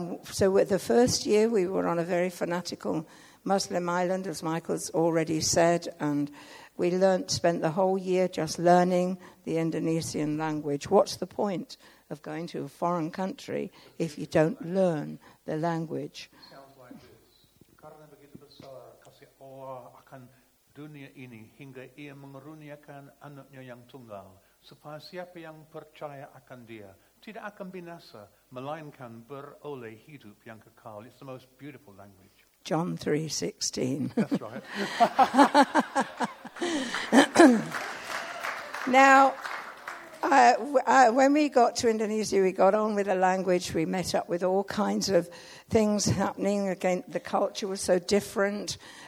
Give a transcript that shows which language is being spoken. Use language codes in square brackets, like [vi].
[en] So with the first year, we were on a very fanatical Muslim island, as Michael's already said, and we spent the whole year just learning the Indonesian language. What's the point of going to a foreign country if you don't learn the language? [id] Karena begitu besar kasih Allah akan dunia ini hingga ia mengaruniakan anaknya yang tunggal, supaya siapa yang percaya akan dia tidak akan binasa, melainkan beroleh hidup yang kekal. [en] It's the most beautiful language. John 3:16. That's right. Now, when we got to Indonesia, we got on with the language. We met up with all kinds of things happening. Again, the culture was so different.